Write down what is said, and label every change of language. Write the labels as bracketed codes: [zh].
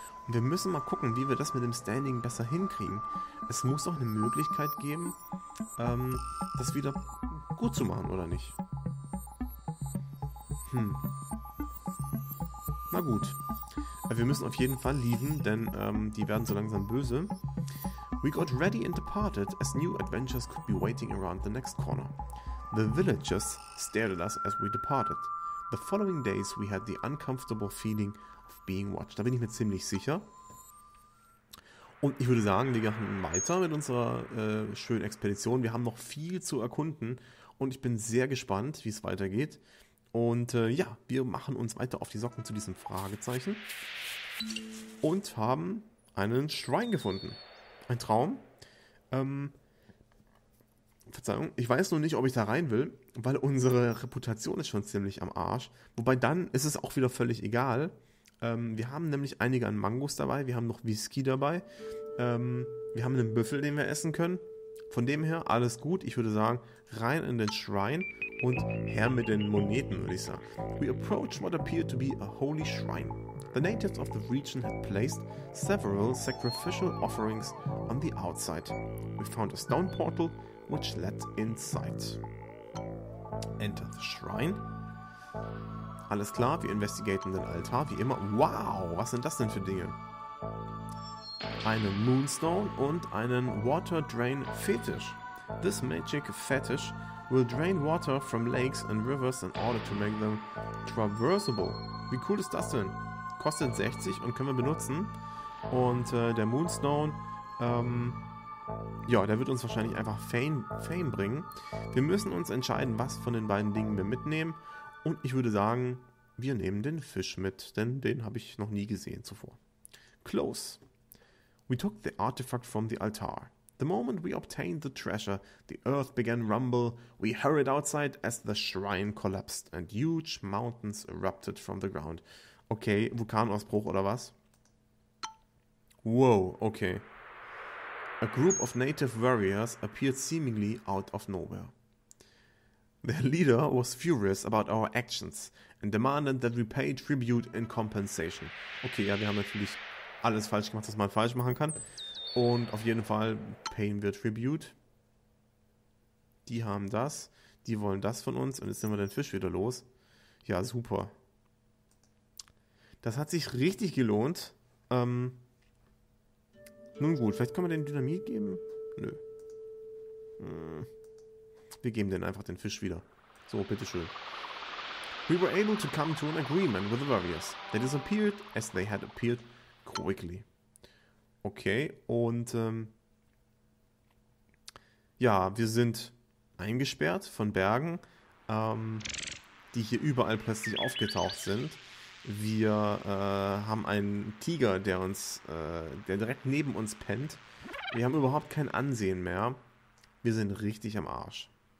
[de] Und wir müssen mal gucken, wie wir das mit dem Standing besser hinkriegen. Es muss doch eine Möglichkeit geben, das wieder gut zu machen, oder nicht? Na gut. Wir müssen auf jeden Fall leaven, denn die werden so langsam böse. [en] We got ready and departed, as new adventures could be waiting around the next corner. The villagers stared at us as we departed. The following days we had the uncomfortable feeling of being watched. [de] Da bin ich mir ziemlich sicher. Und ich würde sagen, wir gehen weiter mit unserer schönen Expedition. Wir haben noch viel zu erkunden und ich bin sehr gespannt, wie es weitergeht. Und ja, wir machen uns weiter auf die Socken zu diesem Fragezeichen und haben einen Schrein gefunden. Ein Traum. Verzeihung, ich weiß nur nicht, ob ich da rein will, weil unsere Reputation ist schon ziemlich am Arsch. Wobei dann ist es auch wieder völlig egal. Wir haben nämlich einige an Mangos dabei, wir haben noch Whisky dabei. Wir haben einen Büffel, den wir essen können. Von dem her alles gut. Ich würde sagen, rein in den Schrein. Und her mit den Moneten, würde ich sagen. [en] We approached what appeared to be a holy shrine. The natives of the region had placed several sacrificial offerings on the outside. We found a stone portal, which led inside. Enter the shrine. [de] Alles klar, wir investigaten den Altar, wie immer. Wow, was sind das denn für Dinge? Einen Moonstone und einen Water Drain Fetish. [en] This magic fetish will drain water from lakes and rivers in order to make them traversable. [de] Wie cool ist das denn? Kostet 60 und können wir benutzen. Und der Moonstone, ja, der wird uns wahrscheinlich einfach Fame bringen. Wir müssen uns entscheiden, was von den beiden Dingen wir mitnehmen. Und ich würde sagen, wir nehmen den Fisch mit, denn den habe ich noch nie gesehen zuvor. [en] Close. We took the artifact from the altar. The moment we obtained the treasure, the earth began rumble. We hurried outside as the shrine collapsed and huge mountains erupted from the ground. [de] Okay, Vulkanausbruch oder was? Whoa, okay. [en] A group of native warriors appeared seemingly out of nowhere. Their leader was furious about our actions and demanded that we pay tribute in compensation. [de] Okay, ja, wir haben natürlich alles falsch gemacht, was man falsch machen kann. Und auf jeden Fall payen wir Tribute. Die haben das. Die wollen das von uns. Und jetzt sind wir den Fisch wieder los. Ja, super. Das hat sich richtig gelohnt. Nun gut, vielleicht können wir den Dynamit geben? Nö. Wir geben den einfach den Fisch wieder. So, bitteschön. [en] We were able to come to an agreement with the warriors. They disappeared as they had appeared quickly. [de] Okay, und Ja, wir sind eingesperrt von Bergen, die hier überall plötzlich aufgetaucht sind. Wir haben einen Tiger, der der direkt neben uns pennt. Wir haben überhaupt kein Ansehen mehr. Wir sind richtig am Arsch.